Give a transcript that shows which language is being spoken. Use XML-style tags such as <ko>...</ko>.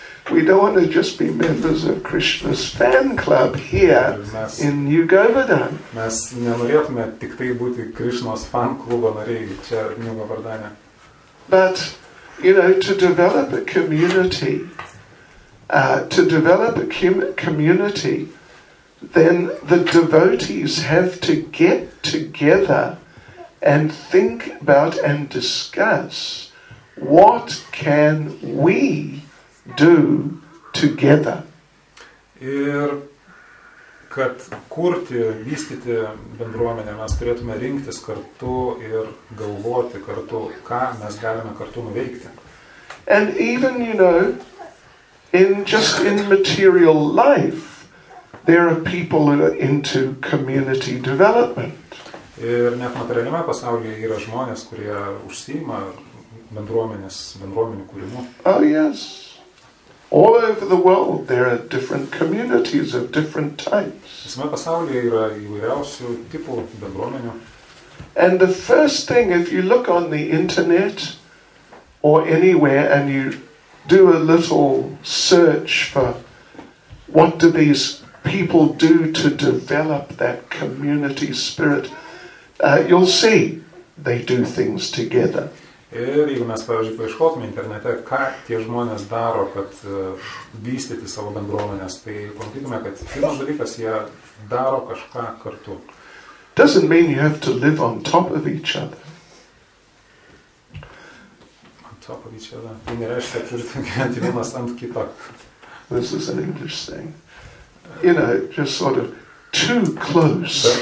<en>We don't want to just be members of Krishna's fan club here in New Govardhan.</en> <lt>Mes nenorėtume tik tai būti Krishna's fan klubo nariai čia New Govardhane.</lt> <en>But, you know, to develop a community, to develop a community, then the devotees have to get together and think about and discuss what can we do together.</en> <lt>Ir kad kurti, vystyti bendruomenę, mes turėtume rinktis kartu ir galvoti kartu, ką mes galime kartu nuveikti.</lt> <en>And even, you know, in just in material life, there are people who are into community development.</en> <lt>Ir net materialiame pasaulyje yra žmonės, kurie užsiima bendruomenių kūrimu.</lt> <en>Oh, yes. All over the world there are different communities of different types.</en> <lt>Visame pasaulyje yra įvairiausių tipų bendruomenių.</lt> <en>And the first thing, if you look on the internet or anywhere and you do a little search for what do these people do to develop that community spirit, you'll see they do things together.</en> <lt>Ir jeigu mes, pavyzdžiui, paieškotume internete, ką tie žmonės daro, kad vystyti savo bendruomenės, tai pamatytume, kad pirmas dalykas, jie daro kažką kartu.</lt> <en>Doesn't mean you have to live on top of each other. On top of each other.</en> <lt>Tai nereiškia, kad turite gyventi vienas ant kito.</lt> <en>This is an English thing. You know, just sort of too close.</en>